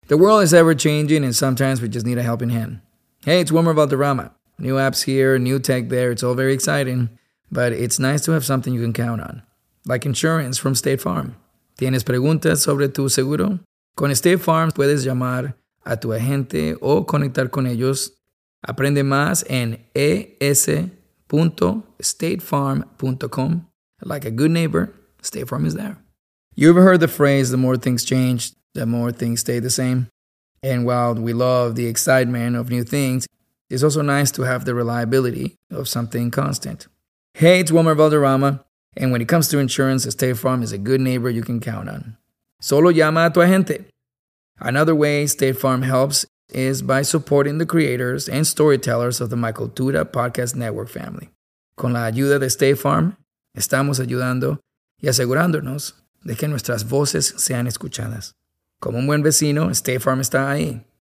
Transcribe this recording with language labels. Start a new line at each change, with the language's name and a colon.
English: The world is ever-changing, and sometimes we just need a helping hand. Hey, it's Wilmer Valderrama. New apps here, new tech there, it's all very exciting. But it's nice to have something you can count on, like insurance from State Farm.
Spanish: ¿Tienes preguntas sobre tu seguro? Con State Farm puedes llamar a tu agente o conectar con ellos. Aprende más en es.statefarm.com.
English: Like a good neighbor, State Farm is there. You ever heard the phrase, the more things change, the more things stay the same? And while we love the excitement of new things, it's also nice to have the reliability of something constant. Hey, it's Wilmer Valderrama, and when it comes to insurance, State Farm is a good neighbor you can count on.
Spanish: Solo llama a tu agente.
English: Another way State Farm helps is by supporting the creators and storytellers of the Michael Tura Podcast Network family.
Spanish: Con la ayuda de State Farm, estamos ayudando y asegurándonos de que nuestras voces sean escuchadas. Como un buen vecino, State Farm está ahí.